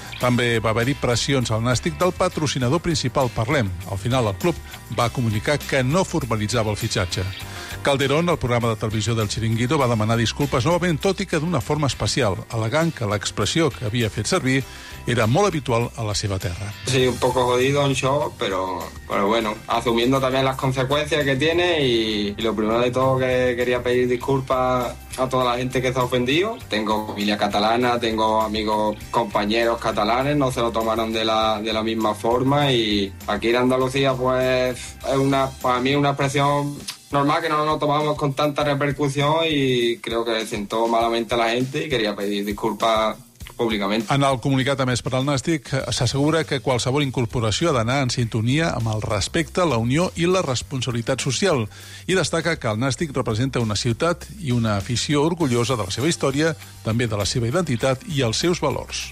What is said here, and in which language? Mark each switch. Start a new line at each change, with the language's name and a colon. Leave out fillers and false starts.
Catalan: També va haver-hi pressions al Nàstic del patrocinador principal Parlem. Al final, el club va comunicar que no formalitzava el fitxatge. Calderón, al programa de televisió del Chiringuito, va demanar disculpes novament, tot i que d'una forma especial, al·legant que l'expressió que havia fet servir era molt habitual a la seva terra.
Spanish: Sí, un poco jodido en show, pero bueno, asumiendo también las consecuencias que tiene y lo primero de todo que quería pedir disculpas a toda la gente que se ha ofendido. Tengo familia catalana, tengo amigos, compañeros catalanes, no se lo tomaron de la misma forma y aquí en Andalucía pues es una, para mí, una expresión normal que no nos tomamos con tanta repercusión y creo que sentó malamente a la gente y quería pedir disculpas públicament.
Catalan: En el comunicat emès per al Nàstic s'assegura que qualsevol incorporació ha d'anar en sintonia amb el respecte, la unió i la responsabilitat social, i destaca que el Nàstic representa una ciutat i una afició orgullosa de la seva història, també de la seva identitat i els seus valors.